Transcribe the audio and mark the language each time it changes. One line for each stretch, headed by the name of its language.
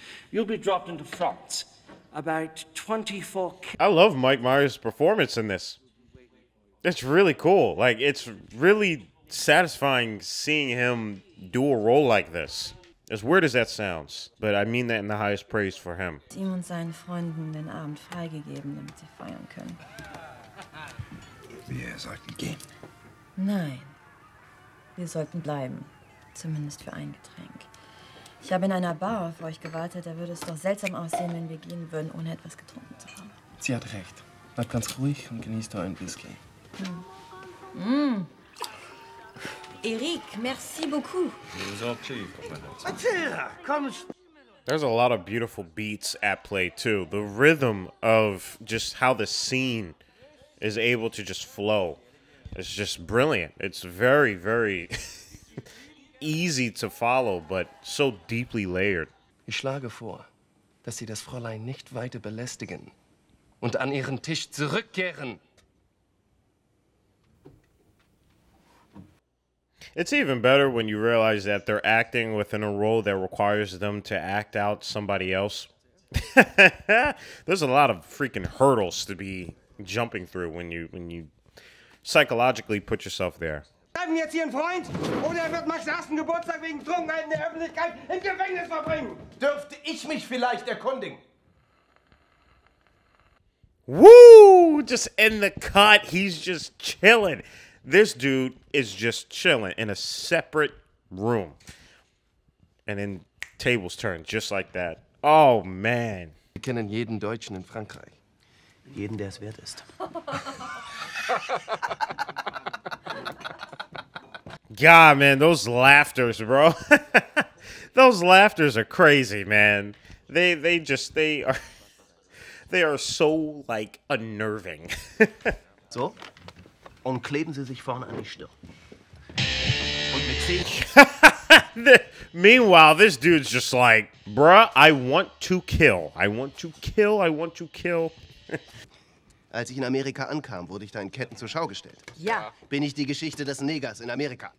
English: You'll be dropped into France. About 24... I love Mike Myers' performance in this. It's really cool. Like, it's really satisfying seeing him do a role like this. As weird as that sounds, but I mean that in the highest praise for him.
German: Ihm und seinen Freunden den Abend freigegeben, damit sie feiern können. Wir sollten gehen. Nein. Wir sollten bleiben. Zumindest für ein Getränk. Ich habe in einer Bar auf euch gewartet. Da würde es doch seltsam aussehen, wenn wir gehen würden, ohne etwas getrunken zu haben. Sie hat recht. Bleib ganz ruhig und genießt euren Whisky.
French: Eric, merci beaucoup.
English: Attila,
German: komm.
English: There's a lot of beautiful beats at play too. The rhythm of just how the scene is able to just flow is just brilliant. It's very, very easy to follow, but so deeply layered.
German: Ich schlage vor, dass Sie das Fräulein nicht weiter belästigen und an Ihren Tisch zurückkehren.
English: It's even better when you realize that they're acting within a role that requires them to act out somebody else. There's a lot of freaking hurdles to be jumping through when you psychologically put yourself there.
German: Bleiben jetzt hier ein Freund, oder wird Max ersten Geburtstag wegen Trunkenheit in der Öffentlichkeit im Gefängnis verbringen? Dürfte ich mich vielleicht erkundigen?
English: Woo! Just in the cut, he's just chilling. This dude is just chilling in a separate room. And then tables turn just like that. Oh man.
German: Wir kennen jeden Deutschen in Frankreich. Jeden, der es wert ist.
English: God, man, those laughters, bro. Those laughters are crazy, man. They are so, like, unnerving.
German: So, und kleben Sie sich vorne an die Stirn. Und mit zehn.
English: Meanwhile, this dude's just like, bruh, I want to kill. I want to kill, I want to kill.
German: Als ich in Amerika ankam, wurde ich da in Ketten zur Schau gestellt. Ja. Bin ich die Geschichte des Negers in Amerika?